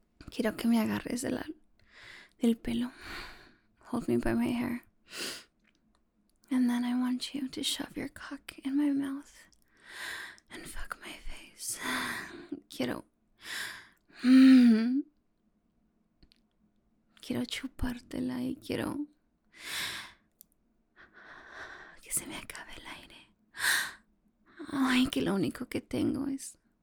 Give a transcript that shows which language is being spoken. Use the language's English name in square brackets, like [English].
[Spanish] Quiero que me agarres de del pelo. [English] Hold me by my hair. And then I want you to shove your cock in my mouth and fuck my face. [Spanish] Quiero. Quiero chupártela y quiero que se me acabe el aire. Ay, que lo único que tengo es.